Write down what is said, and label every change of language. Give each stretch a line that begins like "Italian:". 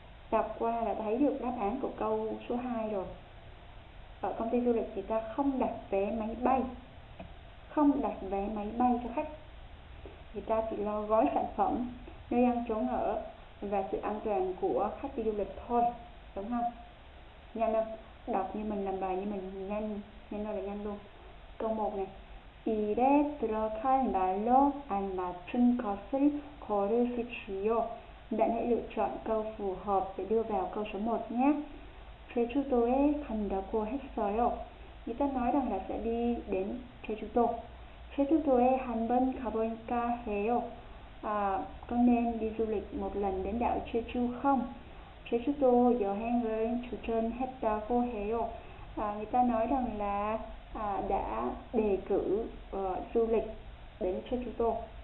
Vietnamese: Đọc qua là thấy được đáp án của câu số 2 rồi. Ở công ty du lịch thì ta không đặt vé máy bay, không đặt vé máy bay cho khách, người ta chỉ lo gói sản phẩm, nơi ăn chỗ ở và sự an toàn của khách đi du lịch thôi, đúng không? Nhanh không? Đọc như mình, làm bài như mình, nhanh, nhanh rồi là nhanh luôn. Câu 1 này.
Korean: 이래 들어간 말로 알맞춘 것을 고르십시오.
Vietnamese: Bạn hãy lựa chọn câu phù hợp để đưa vào câu số 1 nhé.
Korean: 제주도에 간다고 했어요.
Vietnamese: 이 ta nói rằng là sẽ đi đến Jeju-do.
Korean: Jeju-do에 한번 가볼까 해요.
Vietnamese: Có nên đi du lịch một lần đến đảo Jeju không?
Korean: 제주도 여행을 추천했다고 해요.
Vietnamese: Người ta nói rằng là đã đề cử du lịch đến Jeju-do.